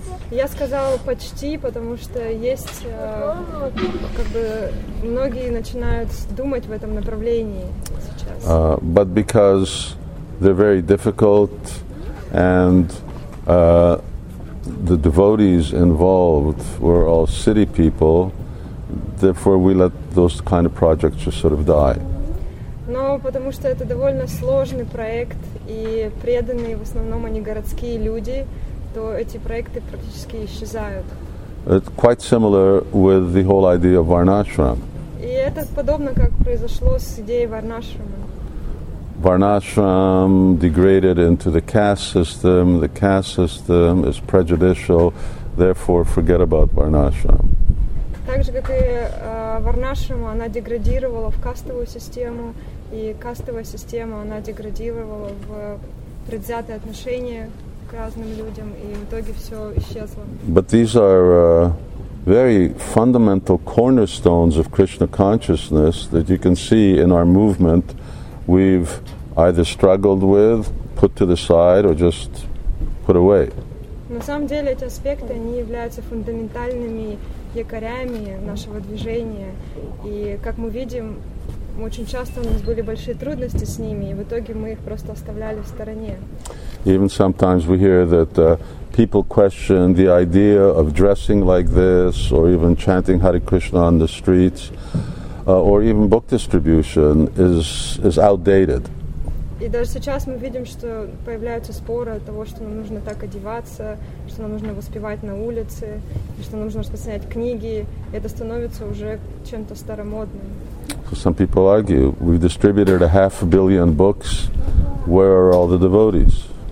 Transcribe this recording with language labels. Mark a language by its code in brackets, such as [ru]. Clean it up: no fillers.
[ru] Я сказала почти, потому что есть, как бы, многие начинают думать в этом направлении сейчас. [en] But because they're very difficult, and the devotees involved were all city people, therefore we let those kind of projects just sort of die. [ru] Но потому что это довольно сложный проект, и преданные в основном они городские люди, то эти проекты практически исчезают. [en] It's quite similar with the whole idea of Varnashram. [ru] И это подобно, как произошло с идеей Варнашрама. [en] Varnashram degraded into the caste system. The caste system is prejudicial. Therefore, forget about Varnashram. [ru] Также, как и Варнашрама, она деградировала в кастовую систему, и кастовая система, она деградировала в предвзятые отношения к разным людям, и в итоге все исчезло. [en] But these are very fundamental cornerstones of Krishna consciousness that you can see in our movement we've either struggled with, put to the side, or just put away. [ru] На самом деле эти аспекты, они являются фундаментальными якорями нашего движения. И как мы видим, очень часто у нас были большие трудности с ними, и в итоге мы их просто оставляли в стороне. [en] Even sometimes we hear that people question the idea of dressing like this, or even chanting Hare Krishna on the streets, or even book distribution is outdated. [ru] И даже сейчас мы видим, что появляются споры от того, что нам нужно так одеваться, что нам нужно воспевать на улице, что нам нужно распространять книги. Это становится уже чем-то старомодным. [en] So some people argue, we've distributed $500 million books, where are all the devotees?